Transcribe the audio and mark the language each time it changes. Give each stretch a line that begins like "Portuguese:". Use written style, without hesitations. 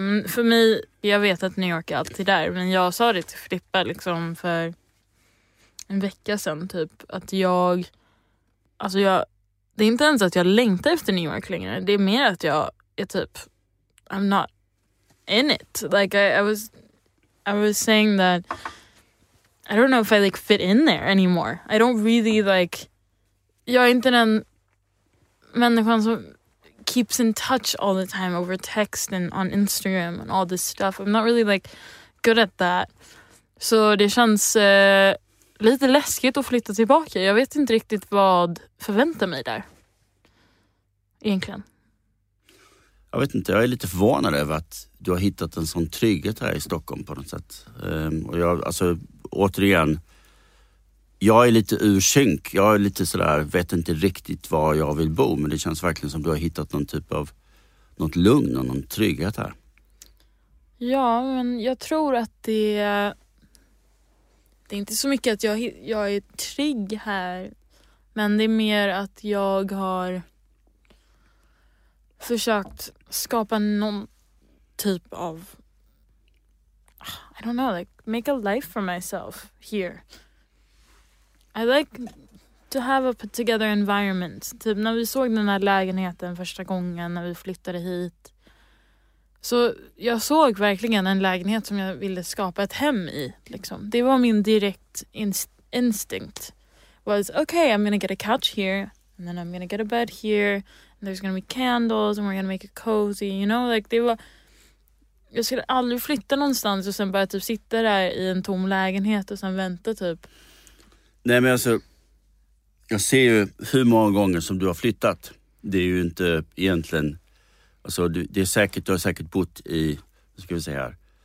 Swedish: Men för mig, jag vet att New York är alltid där, men jag sa det till Filippa liksom för en vecka sedan typ, att jag, alltså jag, det är inte ens att jag längtar efter New York längre. Det är mer att jag är typ,
English: I'm not in it. Like I was saying that I don't know if I like fit in there anymore. I don't really like...
Swedish: Jag är inte den människan som
English: keeps in touch all the time over text and on Instagram and all this stuff. I'm not really like good at that.
Swedish: Så det känns lite läskigt att flytta tillbaka. Jag vet inte riktigt vad förväntar mig där. Egentligen. Jag vet inte, jag är lite förvånad över att du har hittat en sån trygghet här i Stockholm på något sätt. Och jag, alltså... återigen, jag är lite ursynk. Jag är lite sådär, vet inte riktigt var jag vill bo. Men det känns verkligen som du har hittat någon typ av något lugn och någon trygghet här. Ja, men jag tror att det är inte så mycket att jag är trygg här. Men det är mer att jag har försökt skapa någon typ av...
English: I don't know, like, make a life for myself here. I like to have a put-together environment.
Swedish: Typ när vi såg den här lägenheten första gången när vi flyttade hit. Så jag såg verkligen en lägenhet som jag ville skapa ett hem i. Liksom. Det var min direkt instinct.
English: Was, okay, I'm gonna get a couch here. And then I'm gonna get a bed here. And there's gonna be candles and we're gonna make it cozy. You know, like,
Swedish: det var... Jag skulle aldrig flytta någonstans och sen bara typ sitta där i en tom lägenhet och sen vänta typ. Nej, men alltså, jag ser ju hur många gånger som du har flyttat. Det är ju inte egentligen, alltså det är säkert, du har säkert bott i, vad ska vi säga här.